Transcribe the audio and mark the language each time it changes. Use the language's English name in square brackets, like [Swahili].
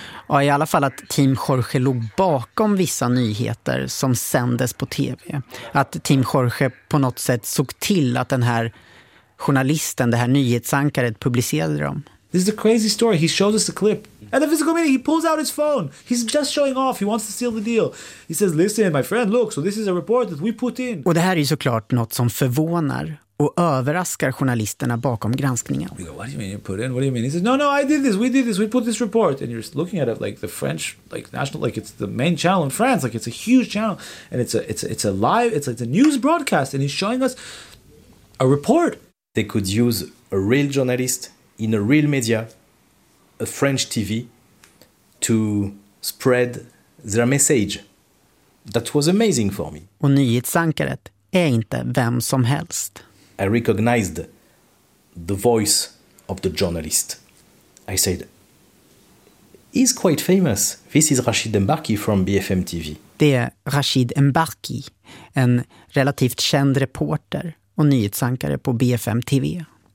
[Swedish] Ja, i alla fall att Team Jorge låg bakom vissa nyheter som sändes på tv. Att Team Jorge på något sätt såg till att den här journalisten, det här nyhetsankaret, publicerade dem. [English] This is a crazy story. He shows us a clip. At the physical meeting, he pulls out his phone. He's just showing off. He wants to seal the deal. He says, listen, my friend, look, so this is a report that we put in. [Swedish] Och det här är såklart något som förvånar och överraskar journalisterna bakom granskningen. [English] We go, what do you mean you put in? What do you mean? He says, no, I did this. We did this. We put this report. And you're looking at it like the French, like national, like it's the main channel in France. Like it's a huge channel. And it's a live, it's a news broadcast. And he's showing us a report. They could use a real journalist in a real media, a French TV, to spread their message. That was amazing for me. [Swedish] Och nyhetsankaret är inte vem som helst. [English] I recognized the voice of the journalist. I said, he's quite famous. This is Rachid Embarki from BFM TV. [Swedish] Det är Rachid Embarki, en relativt känd reporter och nyhetsankare på BFM TV.